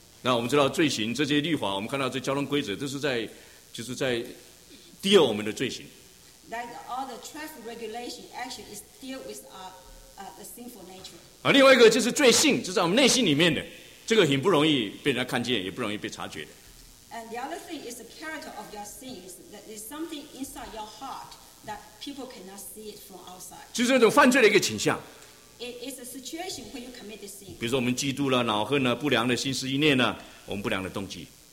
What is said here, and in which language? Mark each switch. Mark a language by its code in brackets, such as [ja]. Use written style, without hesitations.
[zh] 那我们知道罪行这些律法，我们看到这交通规则都是在就是在 deal 我们的罪行。 [en] Like all the traffic regulation actually is deal with the sinful nature. [zh] 啊，另外一个就是罪性，就在我们内心里面的，这个很不容易被人家看见，也不容易被察觉的。 [en] And the other thing is the character of your sins. That is something inside your heart that people cannot see it from outside. [zh] 就是那种犯罪的一个倾向。 [en] It is a situation when you commit the sin. [zh] 比如说我们嫉妒了、恼恨了、不良的心思意念呢，我们不良的动机。